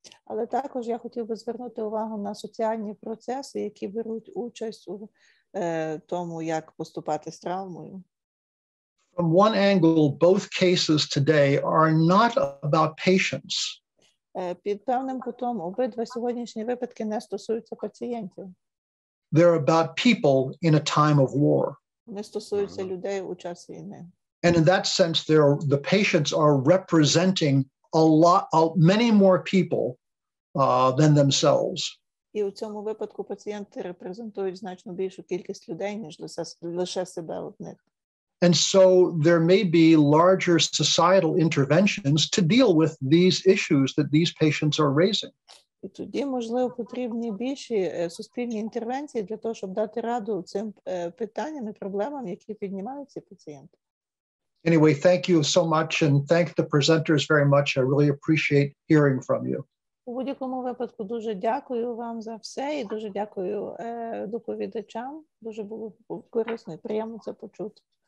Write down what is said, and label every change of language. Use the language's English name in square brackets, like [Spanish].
[Ukrainian] Але також я хотів би звернути увагу на соціальні процеси, які беруть участь у тому, як поступати з травмою. [English] From one angle, both cases today are not about patients. [Ukrainian] Під певним кутом обидва сьогоднішні випадки не стосуються пацієнтів. [English] They're about people in a time of war. [Ukrainian] Вони стосуються людей у час війни. [English] And in that sense, the patients are representing many more people than themselves. [Ukrainian] І у цьому випадку пацієнти репрезентують значно більшу кількість людей, ніж лише себе одних. [English] And so there may be larger societal interventions to deal with these issues that these patients are raising. [Ukrainian] І тоді, можливо, потрібні більші суспільні інтервенції для того, щоб дати раду цим питанням і проблемам, які піднімають ці пацієнти. [English] Anyway, thank you so much and thank the presenters very much. I really appreciate hearing from you. [Ukrainian] У будь-якому випадку дуже дякую вам за все і дуже дякую доповідачам. Дуже було корисно і приємно це почути.